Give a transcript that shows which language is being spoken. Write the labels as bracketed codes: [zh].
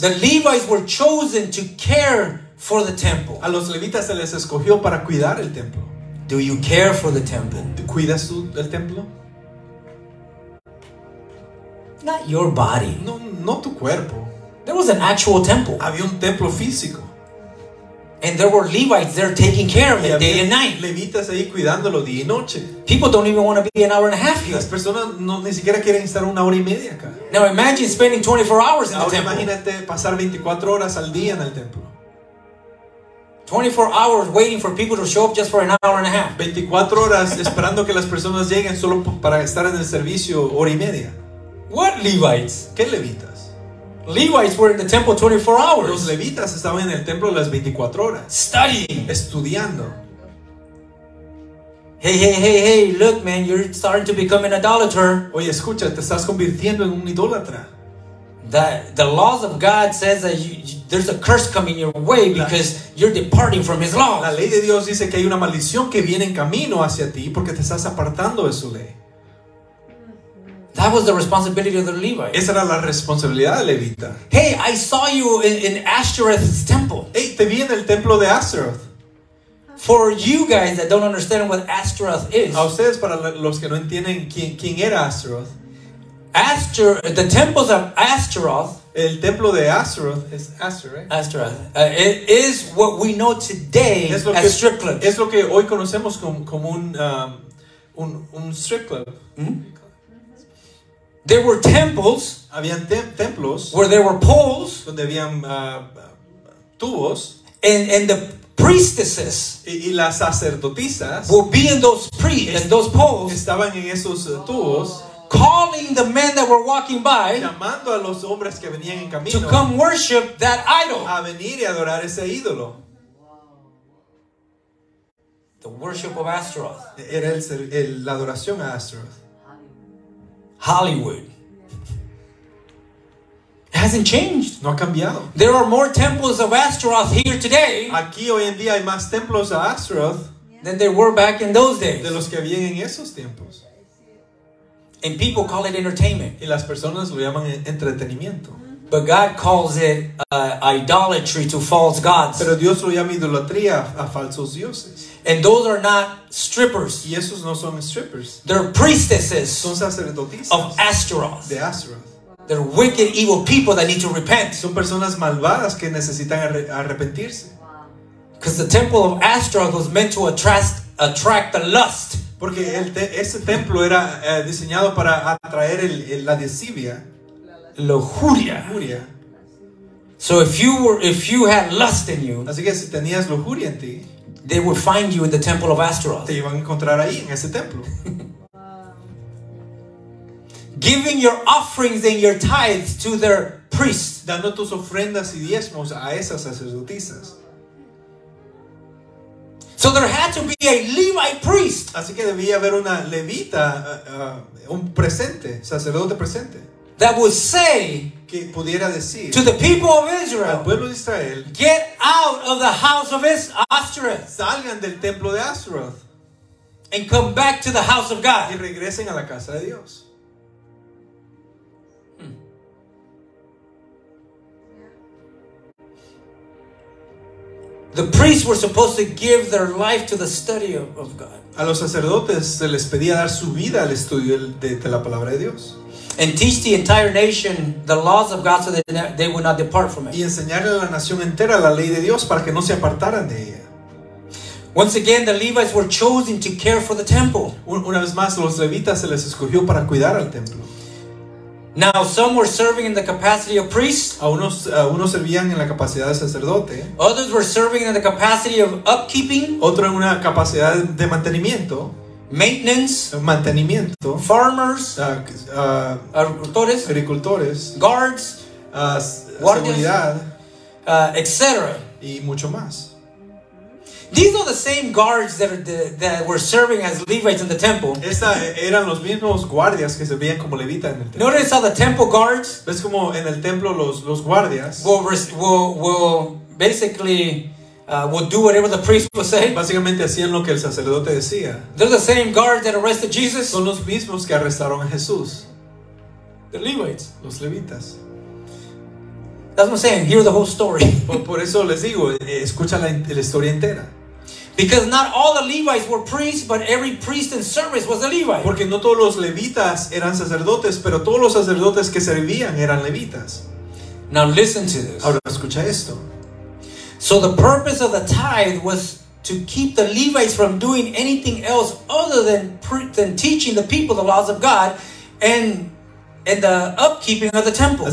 [en] the Levites were chosen to care for the temple. [es] A los levitas se les escogió para cuidar el templo. [en] Do you care for the temple? [es] ¿Cuidas tú el templo? [en] Not your body. [es] No, no tu cuerpo. [en] There was an actual temple. [es] Había un templo físico. [en] And there were Levites there taking care of it day and night. [es] Levitas ahí cuidándolo día y noche. [en] People don't even want to be an hour and a half here. [es] Las personas no, ni siquiera quieren estar una hora y media acá. [en] Now imagine spending 24 hours [es] ahora [en] in the temple. [es] Imagínate pasar 24 horas al día en el templo. [en] 24 hours waiting for people to show up just for an hour and a half. [es] 24 horas esperando que las personas lleguen solo para estar en el servicio hora y media. [en] What Levites? [es] ¿Qué levitas? [en] Levites were in the temple 24 hours. [es] Los levitas estaban en el templo las 24 horas. [en] Studying. [es] Estudiando. [en] Hey, look man, you're starting to become an idolater. [es] Oye, escucha, te estás convirtiendo en un idólatra. [en] The laws of God says that there's a curse coming your way because you're departing from His laws. [es] La ley de Dios dice que hay una maldición que viene en camino hacia ti porque te estás apartando de su ley. [en] That was the responsibility of the Levite. [es] Esa era la responsabilidad de Levita. [en] Hey, I saw you in Ashtoreth's temple. [es] Hey, te vi en el templo de Ashtoreth. [en] For you guys that don't understand what Ashtoreth is. [es] A ustedes, para los que no entienden quién era Ashtoreth. [en] The temples of Ashtoreth. [es] El templo de Ashtoreth es Ashtoreth. [en] Ashtoreth. It is what we know today as strip clubs. [es] Es lo que hoy conocemos como un strip club. [en] There were temples. [es] Habían templos. [en] Where there were poles. [es] Donde habían tubos. [en] And the priestesses. [es] Y las sacerdotisas. [en] Would be in those in those poles. [es] Estaban en esos tubos. [en] Calling the men that were walking by. [es] Llamando a los hombres que venían en camino. [en] To come worship that idol. [es] A venir y adorar ese ídolo. [en] The the worship of Astaroth. [es] Era la adoración a Astaroth. [en] Hollywood. It hasn't changed. [es] No ha cambiado. [en] There are more temples of Astaroth here today. [es] Aquí hoy en día hay más templos a Astaroth [en] than there were back in those days. [es] De los que habían en esos tiempos. [en] And people call it entertainment. [es] Y las personas lo llaman entretenimiento. [en] But God calls it idolatry to false gods. [es] Pero Dios lo llama idolatría a falsos dioses. [en] And those are not strippers. [es] Y esos no son strippers. [en] They're priestesses. [es] Son sacerdotisas. [en] Of Astaroth. [es] De Astaroth. [en] They're wicked, evil people that need to repent. [es] Son personas malvadas que necesitan arrepentirse. [en] Because the temple of Astaroth was meant to attract the lust. [es] Porque ese templo era diseñado para atraer la lascivia. [en] Lujuria. So if you had lust in you, [es] así que si tenías lujuria en ti, [en] they would find you in the temple of Astaroth. [es] Te iban a encontrar ahí en ese templo. [en] Giving your offerings and your tithes to their priests, [es] dando tus ofrendas y diezmos a esas sacerdotisas. [en] So there had to be a Levite priest. [es] Así que debía haber una levita, un presente, sacerdote presente. [en] That would say [es] que pudiera decir [en] to the people of Israel, [es] al pueblo de Israel, [en] get out of the house of Astaroth. [es] Salgan del templo de Astaroth. [en] And come back to the house of God. [es] Y regresen a la casa de Dios. [en] The priests were supposed to give their life to the study of God. [es] A los sacerdotes se les pedía dar su vida al estudio de la palabra de Dios. [en] And teach the entire nation the laws of God so that they would not depart from it. [es] Y enseñarle a la nación entera la ley de Dios para que no se apartaran de ella. [en] Once again, the Levites were chosen to care for the temple. [es] Una vez más, los levitas se les escogió para cuidar al templo. [en] Now some were serving in the capacity of priest. [es] A unos servían en la capacidad de sacerdote. [en] Others were serving in the capacity of upkeeping. [es] Otro en una capacidad de mantenimiento. [en] Maintenance. [es] Mantenimiento. [en] Farmers. [es] Agricultores. Agricultores. [en] Guards. [es] Guardias, seguridad. [en] Etc. [es] Y mucho más. [en] These are the same guards that were serving as Levites in the temple. [es] Esa eran los mismos guardias que servían como levitas en el templo. [en] Notice how the temple guards, [es] ves como en el templo los guardias, [en] will do whatever the priest would say. [es] Básicamente hacían lo que el sacerdote decía. [en] They're the same guards that arrested Jesus. [es] Son los mismos que arrestaron a Jesús. [en] The Levites, [es] los levitas. [en] That's what I'm saying. Hear the whole story. [es] Por eso les digo, escucha la historia entera. [en] Because not all the Levites were priests, but every priest in service was a Levite. [es] Porque no todos los levitas eran sacerdotes, pero todos los sacerdotes que servían eran levitas. [en] Now listen to this. [es] Ahora escucha esto. [en] So the purpose of the tithe was to keep the Levites from doing anything else other than teaching the people the laws of God and the upkeeping of the temple.